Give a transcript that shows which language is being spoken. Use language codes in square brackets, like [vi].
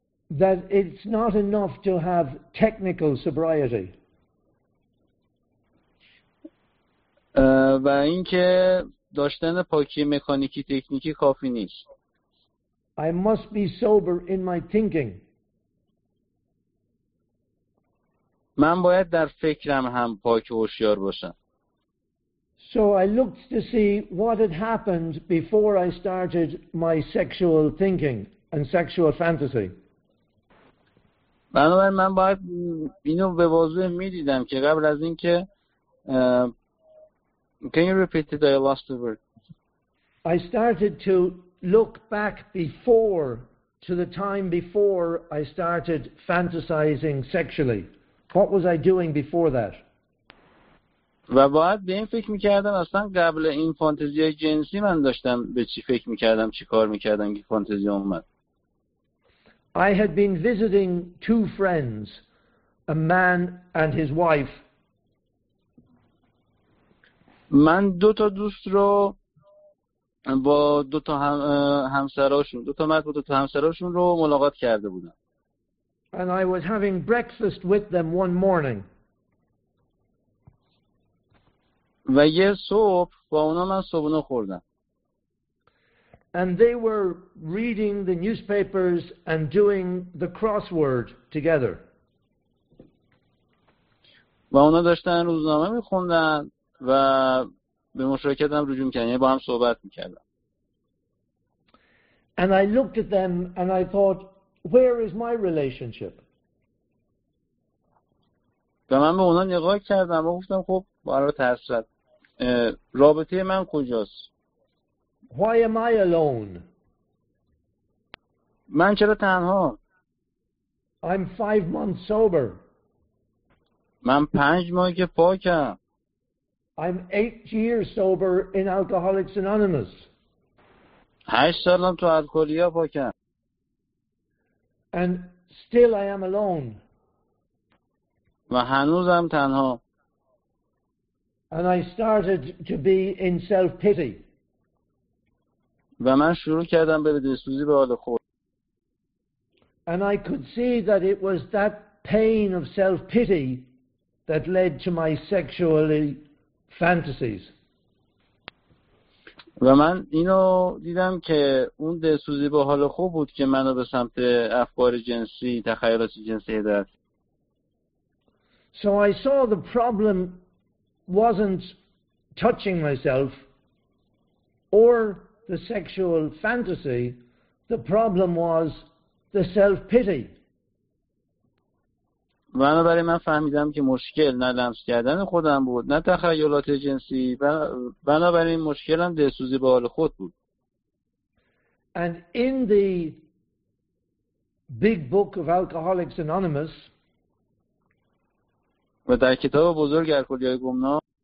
[en] That it's not enough to have technical sobriety. [fa] و اینکه داشتن پاکی مکانیکی تکنیکی کافی نیست. [en] I must be sober in my thinking. [fa] من باید در فکرم هم پاک و هوشیار باشم. [en] So I looked to see what had happened before I started my sexual thinking and sexual fantasy. [fa] بنابراین من باید اینو به واضح می‌دیدم که قبل از اینکه [en] Can you repeat it? I lost the word. I started to look back before to the time before I started fantasizing sexually. What was I doing before that? [fa] و باید به این فکر میکردم اصلا قبل این فانتزی جنسی من داشتم به چی فکر میکردم چی کار میکردم که فانتزی اومد. [en] I had been visiting two friends, a man and his wife. [fa] من دو تا دوست رو با دو تا همسراشون، دو تا مرد با دو تا همسراشون رو ملاقات کرده بودم. [en] And I was having breakfast with them one morning. [fa] و یه صبح با اونا من صبحونه خوردم. [en] And they were reading the newspapers and doing the crossword together. [fa] و اونا داشتن روزنامه می‌خوندن و به مشارکت هم رجوع می‌کردن، یعنی با هم صحبت می‌کردن. [en] And I looked at them and I thought, where is my relationship? [fa] و من به اونا نگاه کردم و گفتم خب برای تحسرت رابطه من کجاست؟ [en] Why am I alone? [fa] من چرا تنها؟ [en] I'm 5 months sober. [fa] من 5 ماه که پاکم. [en] I'm 8 years sober in Alcoholics Anonymous. [fa] 8 سالم تو الکلیا پاکم. [en] And still I am alone. [fa] و هنوزم تنها. [en] And I started to be in self-pity. [fa] و من شروع کردم به دلسوزی به حال خود. [en] And I could see that it was that pain of self-pity that led to my sexual fantasies. [fa] و من اینو دیدم که اون دلسوزی با حال خوب بود که منو به سمت افکار جنسی، تخیلات جنسی هدایت. [en] So I saw the problem wasn't touching myself or the sexual fantasy. The problem was the self-pity. [fa] بنابراین من فهمیدم که مشکل نه لمس کردن خودم بود نه تخیلات جنسی بنابراین مشکلم دلسوزی به حال خود بود. [en] And in the big book of Alcoholics Anonymous, [fa] و در کتاب بزرگ الکلی های گمنام